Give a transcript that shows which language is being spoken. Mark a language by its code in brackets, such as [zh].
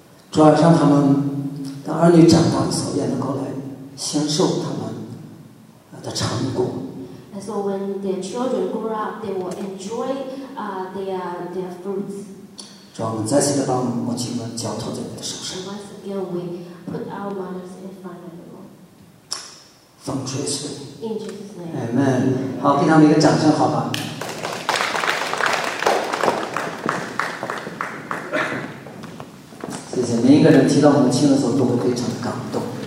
[zh] 主要让他们当儿女长大的时候，也能够来享受他们的成果。 [en] And so when their children grow up, they will enjoy their fruits. [zh] 主要我们再次的把我们母亲们交托在你的手上。 [en] And once again, we put our mothers in front of them. [zh] 奉主耶稣。 [en] Amen. Amen. [zh] 好，给他们一个掌声，好吧？谢谢每一个人提到母亲的时候都会非常的感动。